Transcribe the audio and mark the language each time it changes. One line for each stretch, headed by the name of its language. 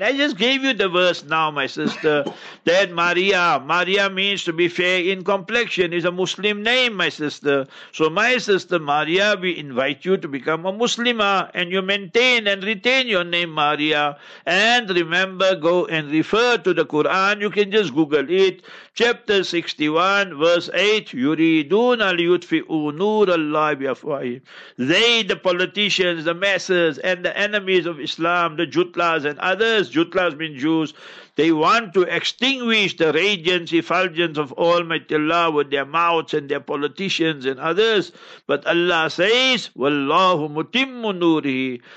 English: I just gave you the verse now, my sister. That Maria. Maria means to be fair in complexion. It's a Muslim name, my sister. So my sister Maria, we invite you to become a Muslima, and you maintain and retain your name Maria. And remember, go and refer to the Quran. You can just Google it. Chapter 61, verse 8,
Arabic: يُرِيدُونَ لِيُتْفِئُوا نُورَ اللَّهِ بِأَفْوَاهِهِمْ.
English: They, the politicians, the masses, and the enemies of Islam, the Jutlas and others, Jutlas mean Jews, they want to extinguish the radiance, effulgence of Almighty Allah with their mouths and their politicians and others. But Allah says,
Arabic: وَاللَّهُ مُتِمُّ نُورِهِ.